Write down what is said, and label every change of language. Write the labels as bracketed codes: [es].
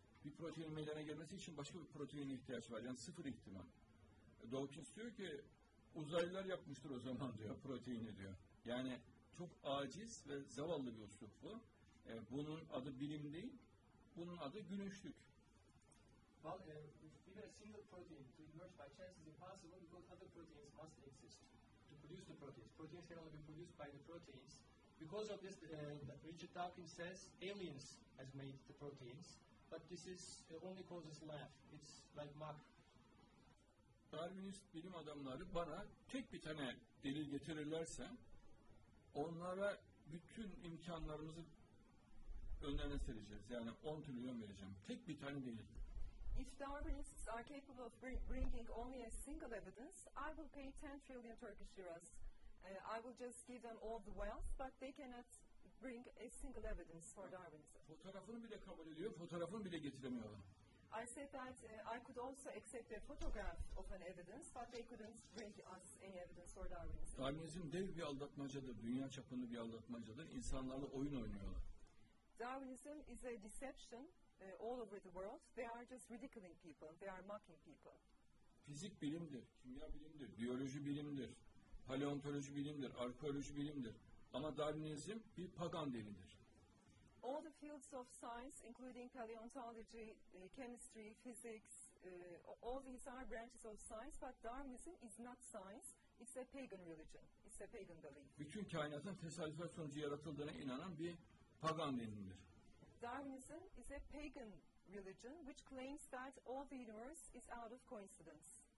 [tr] Bir proteinin meydana gelmesi için başka bir proteine ihtiyaç var. Yani sıfır ihtimal. Dawkins diyor ki uzaylılar yapmıştır o zaman diyor proteini diyor. Yani çok aciz ve zavallı bir usul bu. Bunun adı bilim değil. Bunun adı gülüşlük. [en] Well, if a single protein to emerge by chance is impossible because other proteins must exist to produce the proteins. Proteins can only be produced by the proteins. Because of this, Richard Dawkins says aliens has made the proteins, but this is only causes laugh. It's like mock. [tr] Darwinist bilim adamları bana tek bir tane delil getirirlerse, onlara bütün imkanlarımızı önlerine sereceğiz. Yani 10 trilyon vereceğim. Tek bir tane delil. [en] If Darwinists are capable of bringing only a single evidence, I will pay 10 trillion Turkish liras. I will just give them all the wealth, but they cannot bring a single evidence for Darwinism. [tr] Fotoğrafını bile kabul ediyor, fotoğrafını bile getiremiyorlar. [en] I said that I could also accept a photograph of an evidence, but they couldn't bring us any evidence for Darwinism. [tr] Darwinizm dev bir aldatmacadır, dünya çapında bir aldatmacadır. İnsanlarla oyun oynuyorlar. [en] Darwinism is a deception all over the world. They are just ridiculing people, they are mocking people. [tr] Fizik bilimdir, kimya bilimdir, biyoloji bilimdir. Paleontoloji bilimdir, arkeoloji bilimdir. Ama Darwinizm bir pagan dinidir. [en] All the fields of science, including paleontology, chemistry, physics, all these are branches of science, but Darwinism is not science, it's a pagan religion, it's a pagan belief. [tr] Bütün kainatın tesadüfen sonucu yaratıldığına inanan bir pagan dinidir. [en] Darwinism is a pagan religion, which claims that all the universe is out of coincidence.